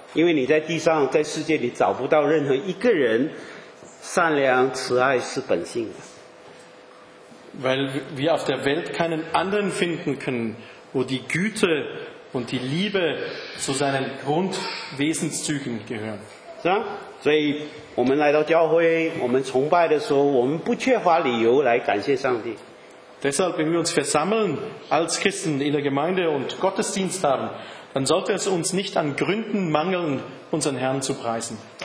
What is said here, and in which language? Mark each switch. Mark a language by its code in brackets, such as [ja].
[zh] 因为你在地上在世界里找不到任何一个人善良慈爱是本性的。 [de] Weil wir auf der Welt keinen anderen finden können, wo die Güte und die Liebe zu seinen Grundwesenszügen gehören. [zh] 是啊，所以我们来到教会，我们崇拜的时候，我们不缺乏理由来感谢上帝。 [de] Deshalb, wenn wir uns versammeln als Christen in der Gemeinde und Gottesdienst haben, dann sollte es uns nicht an Gründen mangeln, unseren Herrn zu preisen.